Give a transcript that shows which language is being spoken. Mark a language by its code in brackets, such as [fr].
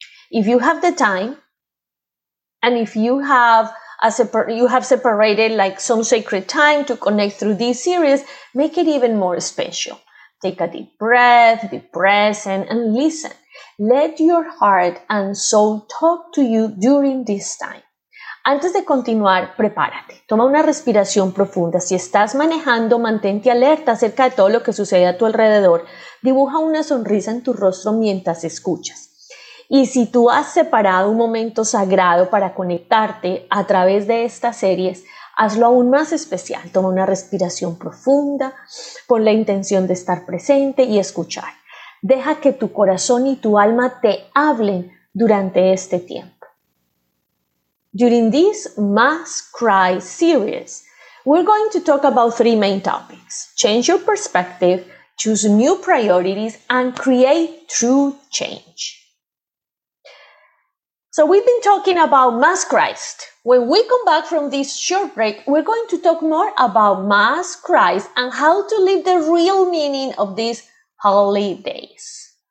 [en] If you have the time, and if you have separated like some sacred time to connect through this series, make it even more special. Take a deep breath, be present, and listen. Let your heart and soul talk to you during this time. [es] Antes de continuar, prepárate. Toma una respiración profunda. Si estás manejando, mantente alerta acerca de todo lo que sucede a tu alrededor. Dibuja una sonrisa en tu rostro mientras escuchas. Y si tú has separado un momento sagrado para conectarte a través de estas series, hazlo aún más especial. Toma una respiración profunda, pon la intención de estar presente y escuchar. Deja que tu corazón y tu alma te hablen durante este tiempo. [en] During this Mass Cry series, we're going to talk about three main topics. Change your perspective, choose new priorities, and create true change. So we've been talking about Mass Christ. When we come back from this short break, we're going to talk more about Mass Christ and how to live the real meaning of these holy days.